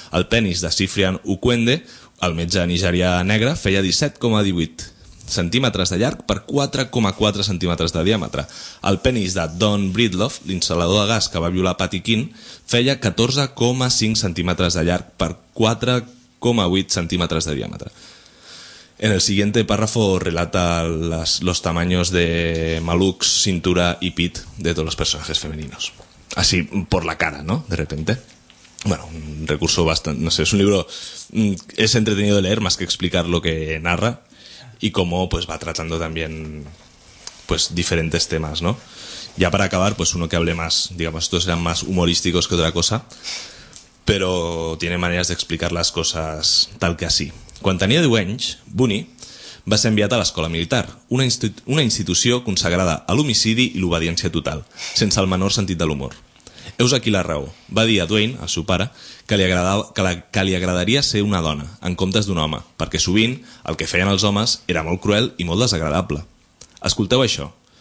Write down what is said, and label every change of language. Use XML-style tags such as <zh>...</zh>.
<ca>El penis de Cyprian Ukwende, el metge nigerià negre, feia 17,18 centímetres de llarg per 4,4 centímetres de diàmetre. El penis de Don Breedlove, l'instal·lador de gas que va violar Patty Keane, feia 14,5 centímetres de llarg per 4,8 centímetres de diàmetre.</ca> <es>En el siguiente párrafo relata los tamaños de Malux, cintura y pit de todos los personajes femeninos. Así, por la cara, ¿no? De repente. Bueno, un recurso bastante... No sé, es un libro... Es entretenido de leer más que explicar lo que narra y cómo pues va tratando también pues diferentes temas, ¿no? Ya para acabar, pues uno que hable más... Digamos, estos sean más humorísticos que otra cosa, pero tiene maneras de explicar las cosas tal que así.</es> <ca>Quan tenia 10 anys, Bunny va ser enviat a l'escola militar, una institució consagrada a l'homicidi i l'obediència total, sense el menor sentit de l'humor. Heus aquí la raó. Va dir a Dwayne, al seu pare, que li agradaria ser una dona, en comptes d'un home, perquè sovint el que feien els homes era molt cruel i molt desagradable. Escolteu això.</ca>